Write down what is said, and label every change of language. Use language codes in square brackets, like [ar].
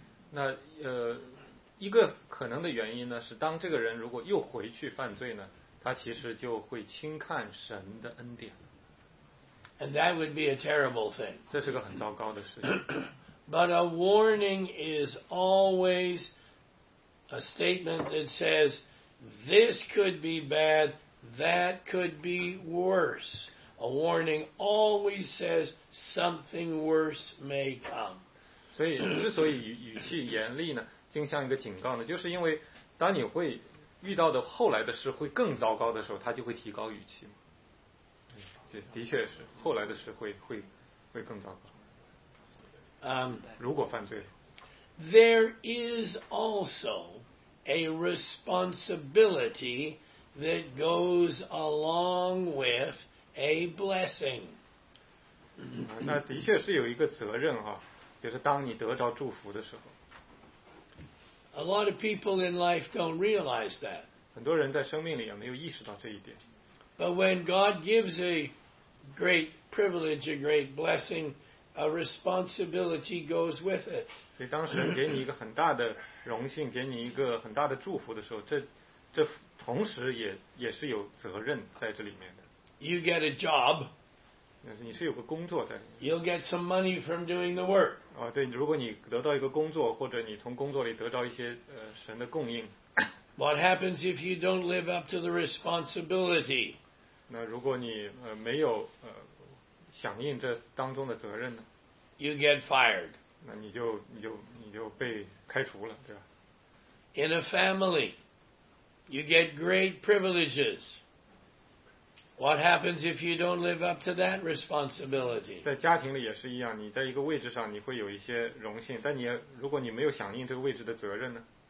[zh] 那一个可能的原因呢，是当这个人如果又回去犯罪呢，他其实就会轻看神的恩典。 [en] And that would be a terrible thing. [zh] 这是个很糟糕的事情。 [en] But a warning is always a statement that says this could be bad, that could be worse. A warning always says something worse may come. [zh] 所以之所以 语气严厉呢，更像一个警告呢，就是因为当你会遇到的后来的事会更糟糕的时候，他就会提高语气。对，的确是后来的事会更糟糕。如果犯罪。 [en] There is also a responsibility that goes along with a blessing. [zh] 那的确是有一个责任啊，就是当你得着祝福的时候。 [en] A lot of people in life don't realize that. [zh] 很多人在生命里也没有意识到这一点。 [en] But when God gives a great privilege, a great blessing, a responsibility goes with it. [zh] 所以当神给你一个很大的荣幸，给你一个很大的祝福的时候，这同时也是有责任在这里面的。 [en] You get a job. [zh] 你是有个工作在里面。 [en] You'll get some money from doing the work. [zh] 哦，对，如果你得到一个工作，或者你从工作里得到一些神的供应。 [en] What happens if you don't live up to the responsibility? [zh] 那如果你没有响应这当中的责任呢？ [en] You get fired. [zh] 那你就被开除了，对吧？ [en] In a family, you get great privileges. What happens if you don't live up to that responsibility? [zh] 在家庭里也是一样，你在一个位置上你会有一些荣幸，但你如果你没有响应这个位置的责任呢？